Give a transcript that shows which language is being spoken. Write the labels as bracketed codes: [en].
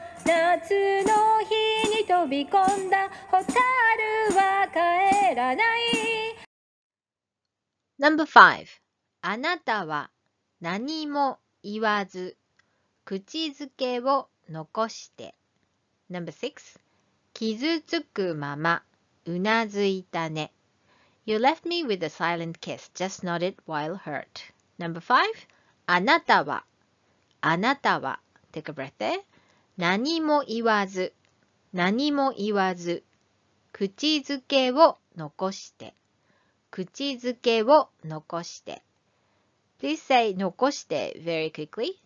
[ja] 夏の日に飛び込んだホタルは帰らない。 [en] Number 5. [ja] あなたは何も言わず、口づけを残して。 [en] Number 6. [ja] 傷つくまま、うなずいたね。 [en] You left me with a silent kiss, just nodded while hurt. Number 5. [ja] あなたは、あなたは、 [en] take a breath there. [ja] 何も言わず、何も言わず、口づけを残して。口づけを残して。 [en] Please say 残して very quickly.